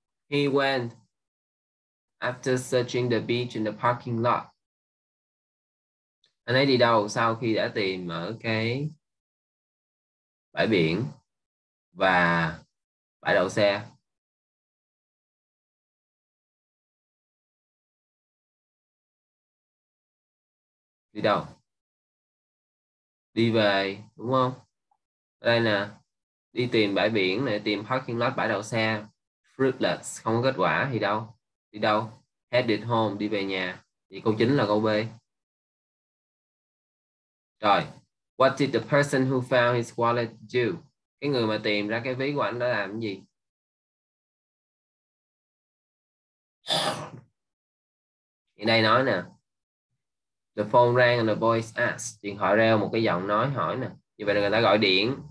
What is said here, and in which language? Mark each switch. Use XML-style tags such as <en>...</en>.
<en>He went after searching the beach in the parking lot.</en> <vi>Anh ấy đi đâu sau khi đã tìm ở cái bãi biển và bãi đậu xe? Đi đâu? Đi về, đúng không? Đây nè, đi tìm bãi biển này, tìm parking lot, bãi đậu xe. Fruitless, không có kết quả thì đâu? Đi đâu?</vi> <en>Headed home,</en> <vi>đi về nhà. Thì câu chính là câu B. Rồi,</vi> <en>what did the person who found his wallet do?</en> <vi>Cái người mà tìm ra cái ví của anh đã làm cái gì? Thì đây nói nè.</vi> <en>The phone rang and the voice asked.</en> <vi>Điện thoại reo, một cái giọng nói hỏi nè. Như vậy là người ta gọi điện.</vi>